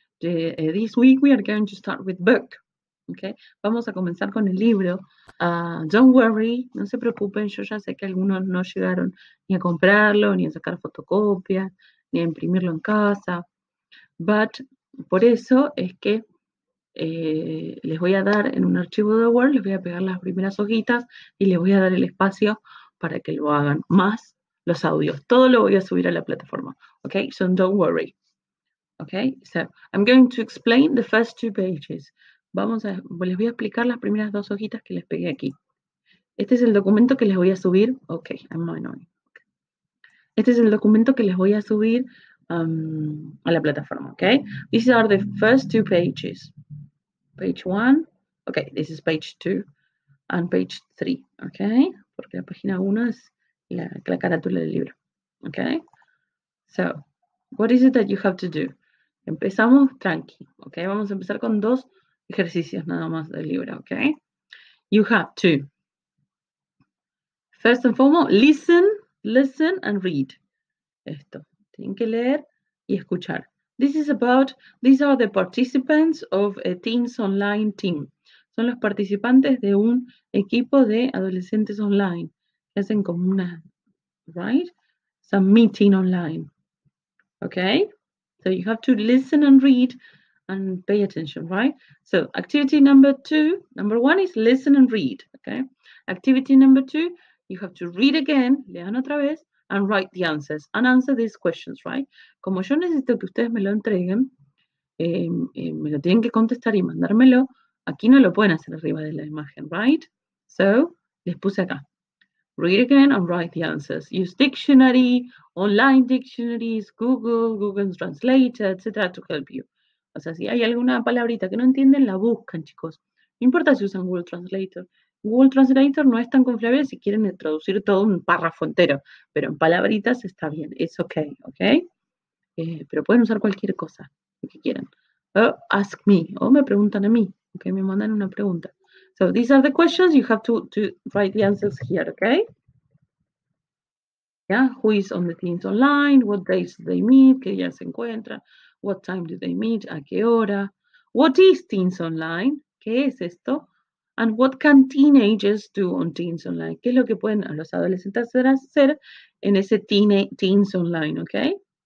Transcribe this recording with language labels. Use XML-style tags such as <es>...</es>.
<en>This week we are going to start with book.</en> <es>Okay? Vamos a comenzar con el libro.</es> <en>Don't worry,</en> <es>no se preocupen. Yo ya sé que algunos no llegaron ni a comprarlo, ni a sacar fotocopias, ni a imprimirlo en casa. But por eso es que les voy a dar en un archivo de Word, les voy a pegar las primeras hojitas y les voy a dar el espacio para que lo hagan más. Los audios, todo lo voy a subir a la plataforma.</es> <en>Okay, so don't worry. Okay, so I'm going to explain the first two pages.</en> <es>Les voy a explicar las primeras dos hojitas que les pegué aquí. Este es el documento que les voy a subir.</es> <en>Okay, I'm annoying.</en> <es>Este es el documento que les voy a subir a la plataforma.</es> <en>Okay, these are the first two pages. Page one. Okay, this is page two and page three.</en> <es>Okay, porque la página uno es la carátula del libro.</es> <en>Okay? So, what is it that you have to do?</en> <es>Empezamos tranqui. Okay? Vamos a empezar con dos ejercicios nada más del libro.</es> <en>Okay? You have to, first and foremost, listen and read. Esto.</en> <es>Tienen que leer y escuchar.</es> <en>This is about, these are the participants of a Teams online team.</en> <es>Son los participantes de un equipo de adolescentes online. Hacen como una,</es> <en>right? Some meeting online. Okay? So you have to listen and read and pay attention, right? So activity number two, number one is listen and read. Okay? Activity number two, you have to read again,</en> <es>lean otra vez,</es> <en>and write the answers and answer these questions, right?</en> <es>Como yo necesito que ustedes me lo entreguen, me lo tienen que contestar y mandármelo, aquí no lo pueden hacer arriba de la imagen, right?</es> <en>So,</en> <es>les puse acá.</es> <en>Read again and write the answers. Use dictionary, online dictionaries, Google Translator, etc. to help you.</en> <es>O sea, si hay alguna palabrita que no entienden, la buscan, chicos. No importa si usan Google Translator. Google Translator no es tan confiable si quieren traducir todo un párrafo entero. Pero en palabritas está bien.</es> <en>It's okay, okay?</en> <es>Pero pueden usar cualquier cosa, lo que quieran.</es> <en>Ask me,</en> <es>o me preguntan a mí, okay? Me mandan una pregunta.</es> <en>So these are the questions, you have to write the answers here, okay? Yeah, who is on the Teams online, what days do they meet,</en> <es>que día se encuentra,</es> <en>what time do they meet,</en> <es>a qué hora,</es> <en>what is Teams online,</en> <es>qué es esto,</es> <en>and what can teenagers do on Teams online,</en> <es>qué es lo que pueden los adolescentes hacer en ese</es> <en>Teams online, okay?</en>